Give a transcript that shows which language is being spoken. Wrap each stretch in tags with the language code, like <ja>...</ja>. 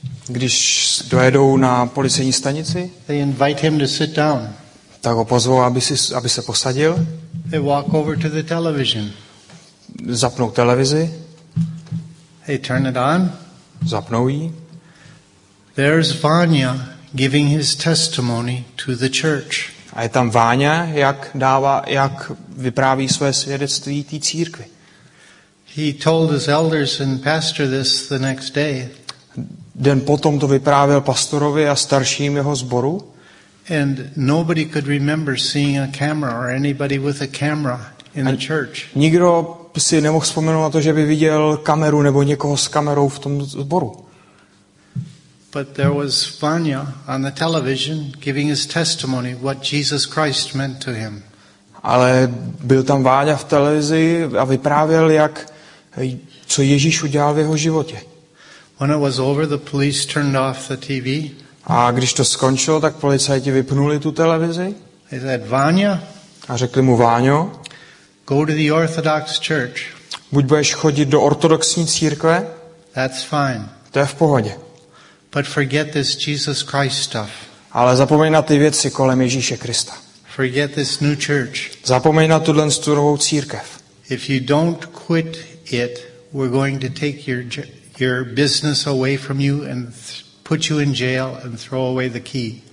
<cs>když dojedou na policejní stanici,</cs> <en>they invite him to sit down.</en> <cs>Tak ho pozvou, aby se posadil.</cs> <en>They walk over to the television.</en> <cs>Zapnou televizi.</cs> <en>They turn it on.</en> <cs>Zapnou ji.</cs> <en>There's Vanya giving his testimony to the church.</en> <cs>A je tam Vanya, jak vypráví své svědectví té církvi.</cs> <en>He told his elders and pastor this the next day.</en> <cs>Den potom to vyprávěl pastorovi a starším jeho sboru.</cs> <en>And nobody could remember seeing a camera or anybody with a camera in the church.</en> <cs>Nikdo si nemohl vzpomenout na to, že by viděl kameru nebo někoho s kamerou v tom sboru.</cs> <en>But there was Vanya on the television giving his testimony what Jesus Christ meant to him.</en> <cs>Ale byl tam Váňa v televizi a vyprávěl, jak co Ježíš udělal v jeho životě.</cs> <en>When it was over, the police turned off the TV.</en> <cs>A když to skončilo, tak policajti vypnuli tu televizi.</cs> <en>He said, Vanya,</en> <cs>a řekli mu, Váňo,</cs> <en>go to the Orthodox church.</en> <cs>Buď budeš chodit do ortodoxní církve,</cs> <en>that's fine.</en> <cs>To je v pohodě.</cs> <en>But forget this Jesus Christ stuff.</en> <cs>Ale zapomeň na ty věci kolem Ježíše Krista.</cs> <en>Forget this new church.</en> <cs>Zapomeň na tuhle novou církev.</cs> <en>If you don't quit it, we're going to take your business away from you and put you in jail and throw away the key.</en>